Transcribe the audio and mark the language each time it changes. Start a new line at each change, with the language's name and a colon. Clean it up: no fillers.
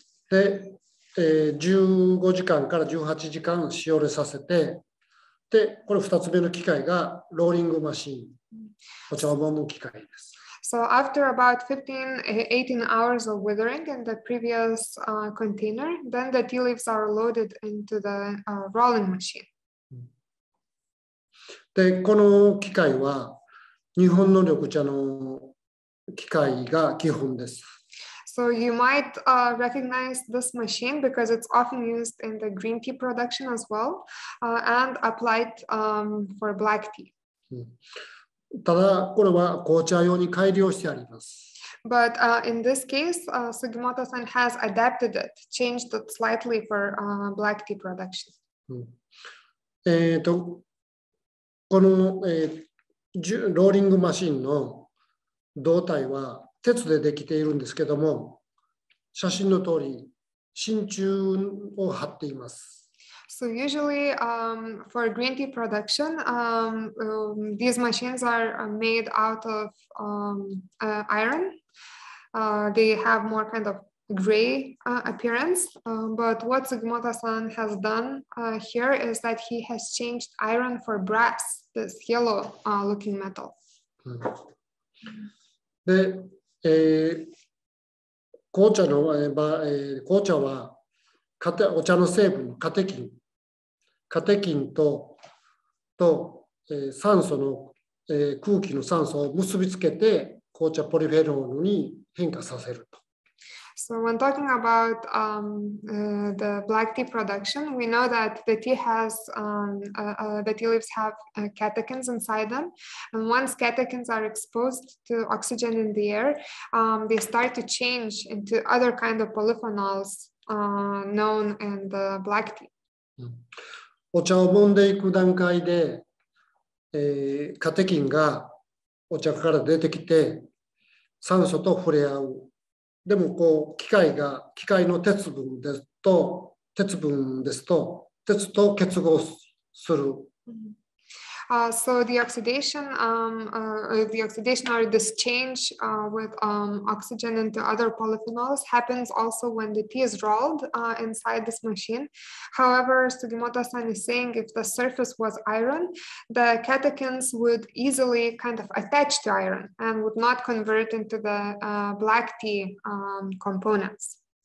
Japanese: で、15時間から18時間しおれさせて、で、これ2つ目の機械がローリングマシーン。お茶を揉む機械です。
English: So after about 15-18 hours of withering in the previous container, then the tea leaves are loaded into the rolling machine.
Japanese: で、この機械は日本の緑茶の機械が基本です。
English: So you might recognize this machine because it's often used in the green tea production as well, and applied for black tea.
Japanese: ただこれは紅茶用に改良してあります。
English: But in this case, Sugimoto-san has adapted it, changed it slightly for black tea production.
Japanese: この、ローリングマシンの胴体は鉄でできているんですけども、写真の通り真鍮を張っています。
English: So usually for green tea production, these machines are made out of iron. They have more kind of gray appearance. But what Sugimoto-san has done here is that he has changed iron for brass, this yellow looking metal.
Japanese: で、紅茶の、紅茶はお茶の成分、カテキン。カテキンと、酸素の空気の酸素を結びつけて紅茶ポリフェノールに変化させると。
English: So when talking about the black tea production, we know that the tea has the tea leaves have catechins inside them, and once catechins are exposed to oxygen in the air, they start to change into other kind of polyphenols known in the black tea.
Japanese: お茶を揉んでいく段階で、カテキンがお茶から出てきて酸素と触れ合う。でもこう機械の鉄分ですと鉄と結合する。
English: So the oxidation, the oxidation or this change with oxygen into other polyphenols happens also when the tea is rolled inside this machine. However, Sugimoto-san is saying if the surface was iron, the catechins would easily kind of attach to iron and would not convert into the black tea components.